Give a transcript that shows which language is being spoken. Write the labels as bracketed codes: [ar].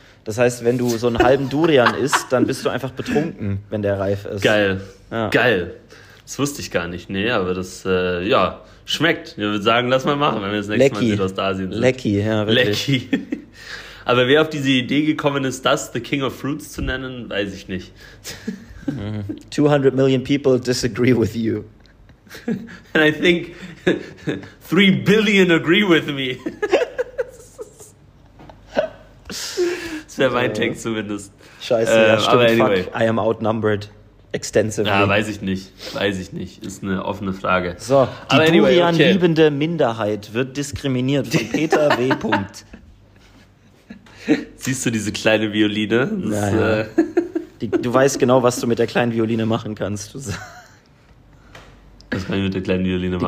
[de] Das heißt, wenn du so einen halben Durian isst, dann bist du einfach betrunken, wenn der reif ist. Geil. Das wusste ich gar nicht. Nee, aber das, schmeckt. Ich würde sagen, lass mal machen, wenn wir das nächste Lecky. Mal in Südostasien sind. Lecky, ja, wirklich. Lecky. Aber wer auf diese Idee gekommen ist, das The King of Fruits zu nennen, weiß ich nicht. [en] 200 million people disagree with you. And I think 3 billion agree with me. [de] Das wäre mein Tank zumindest. Scheiße, ja, stimmt. Aber anyway. [en] Fuck, I am outnumbered extensively. [de] Ja, weiß ich nicht. Ist eine offene Frage. So, die Durian-liebende Minderheit wird diskriminiert von Peter W. Punkt. Siehst du diese kleine Violine? Naja. Du weißt genau, was du mit der kleinen Violine machen kannst. Was kann ich mit der kleinen Violine machen?